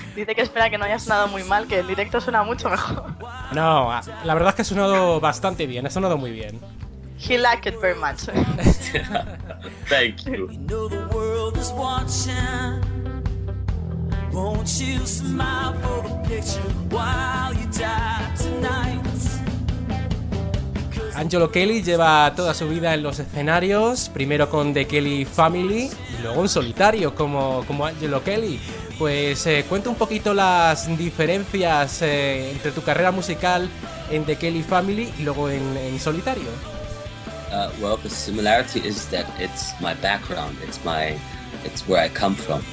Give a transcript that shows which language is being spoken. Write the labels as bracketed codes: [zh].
[es] Dice que espera que no haya sonado muy mal, que el directo suena mucho mejor. No, la verdad es que ha sonado bastante bien, ha sonado muy bien. [en] He liked it very much. Thank you. We know the world is watching. Won't you smile for the picture while you die tonight? [es] Angelo Kelly lleva toda su vida en los escenarios, primero con The Kelly Family y luego en solitario como Angelo Kelly. Pues cuenta un poquito las diferencias entre tu carrera musical en The Kelly Family y luego en solitario. [en] Well, the similarity is that it's my background, it's where I come from.